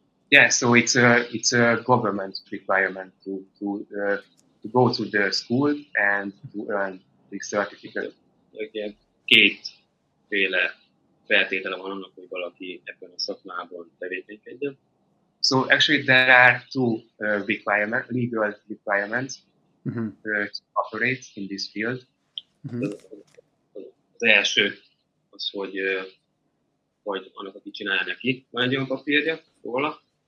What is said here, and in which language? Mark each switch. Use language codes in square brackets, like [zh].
[en] Yeah, so it's a government requirement to go to the school and to earn the certificate. [hu] Igen, kétféle feltétele van annak, hogy valaki ebben a szakmában tevékenykedjen. [en] So actually there are two legal requirements to operate in this field. Mm-hmm. [hu] Az első az, hogy annak, aki csinálja neki, van egy olyan papírja róla.